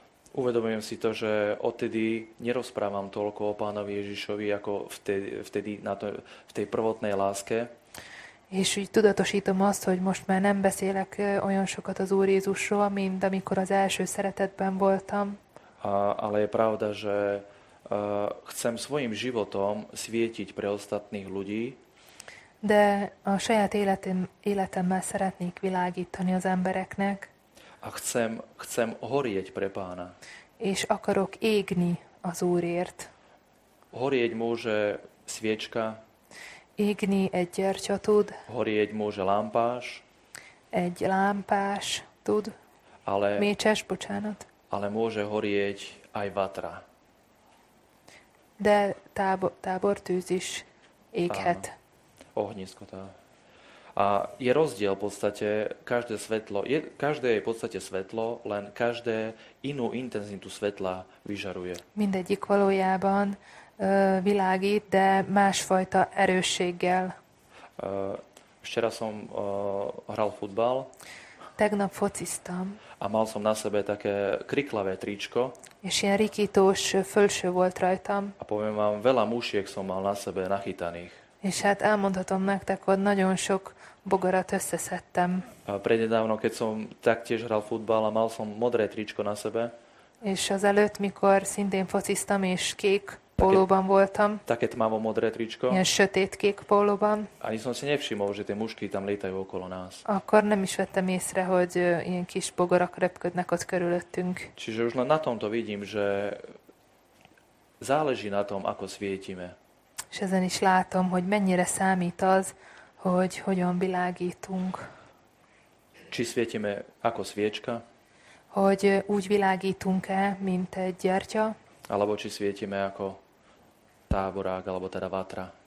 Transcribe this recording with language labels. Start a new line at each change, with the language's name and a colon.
Slovak: Uvedomujem si to, že odtedy nerozprávam toľko o Pánovi Ježišovi, ako vtedy na to, v tej prvotnej láske.
Hungarian: És úgy tudatosítom azt, hogy most már nem beszélek olyan sokat az Úr Jézusról, mint amikor az első szeretetben voltam.
Slovak: Ale je pravda, že chcem svojim životom svietiť pre ostatných ľudí.
Hungarian: De a saját életemmel szeretnék világítani az embereknek.
Slovak: A chcem horieť pre Pána.
Hungarian: És akarok égni az Úrért.
Slovak: Horieť môže sviečka.
Hungarian: Égni egy gyertya tud.
Slovak: Horieť môže lámpás.
Hungarian: Egy lámpás tud.
Slovak: Ale
Hungarian: mécses, bocsánat.
Slovak: Ale môže horieť aj vatra.
Hungarian: De tábortűz is éghet.
Slovak: Áno. Ohnisko tá. A je rozdiel v podstate, každé svetlo, každé je v podstate svetlo, len každé inú intenzitu svetla vyžaruje.
Hungarian: Mindegyik valójában világít, de másfajta erősséggel.
Slovak: Včera som hral futbal.
Hungarian: Tegnap fociztam.
Slovak: A mal som na sebe také kriklavé tričko.
Hungarian: És ilyen rikítós fölső volt rajtam.
Slovak: A poviem vám, veľa musiek som mal na sebe nachytaných.
Hungarian: És hát elmondhatom nektek, hogy nagyon sok bogarat összeszedtem.
Slovak: Prednedávno, keď som taktiež hral futbal a mal som modré tričko na sebe.
Hungarian: És azelőtt, mikor szintén fociztam és kék pólóban voltam.
Slovak: Také tmavo modré tričko.
Hungarian: Ilyen sötét kék pólóban.
Slovak: Ani som si nevšimol, že tie mušky tam lietajú okolo nás.
Hungarian: Akkor nem is vettem észre, hogy ilyen kis bogarak repködnek ott körülöttünk.
Slovak: Čiže už len na tomto vidím, že záleží na tom, ako svietime.
Hungarian: És ezen is látom, hogy mennyire számít az, hogy hogyan világítunk.
Slovak: Či svietime ako sviečka.
Hungarian: Hogy úgy világítunk-e, mint egy gyertya.
Slovak: Alebo či svietime ako táborák, alebo teda vatra.